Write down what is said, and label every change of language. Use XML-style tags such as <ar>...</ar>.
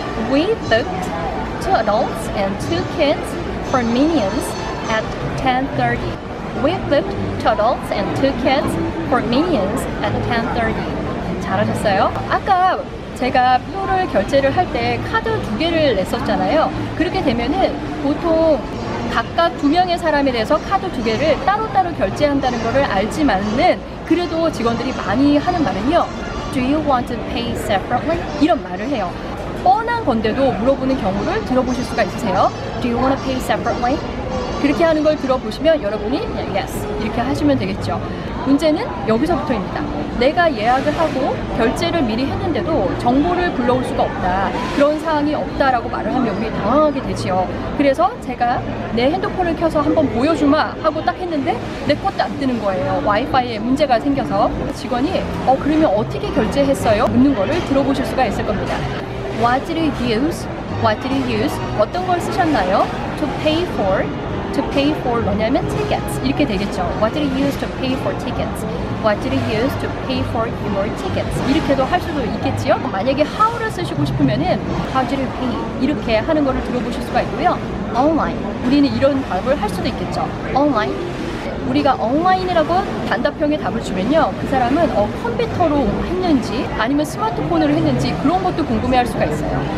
<en>We booked two adults and two kids for Minions at 10:30. We booked two adults and two kids for Minions at 10:30.</en> <ko>잘하셨어요. 아까 제가 표를 결제를 할 때 카드 두 개를 냈었잖아요. 그렇게 되면은 보통 각각 두 명의 사람에 대해서 카드 두 개를 따로따로 결제한다는 것을 알지만은 그래도 직원들이 많이 하는 말은요.</ko> <en>Do you want to pay separately?</en> <ko>이런 말을 해요. 뻔한 건데도 물어보는 경우를 들어보실 수가 있으세요.</ko> <en>Do you want to pay separately?</en> <ko>그렇게 하는 걸 들어보시면 여러분이 yes 이렇게 하시면 되겠죠. 문제는 여기서부터입니다. 내가 예약을 하고 결제를 미리 했는데도 정보를 불러올 수가 없다. 그런 사항이 없다라고 말을 하면 우리 당황하게 되지요. 그래서 제가 내 핸드폰을 켜서 한번 보여주마 하고 딱 했는데 내 것도 안 뜨는 거예요. 와이파이에 문제가 생겨서 직원이 그러면 어떻게 결제했어요? 묻는 거를 들어보실 수가 있을 겁니다.</ko> <en>What did you use? What did you use?</en> <ko>어떤 걸 쓰셨나요?</ko> <en>To pay for</en> <ko>뭐냐면</ko> <en>tickets</en> <ko>이렇게 되겠죠.</ko> <en>What did you use to pay for tickets? What did you use to pay for your tickets?</en> <ko>이렇게도 할 수도 있겠지요. 만약에 how를 쓰시고 싶으면은</ko> <en>how did you pay?</en> <ko>이렇게 하는 거를 들어보실 수가 있고요. Online 우리는 이런 답을 할 수도 있겠죠. Online 우리가 online이라고 단답형의 답을 주면요. 그 사람은 컴퓨터로 했는지 아니면 스마트폰으로 했는지 그런 것도 궁금해할 수가 있어요.</ko>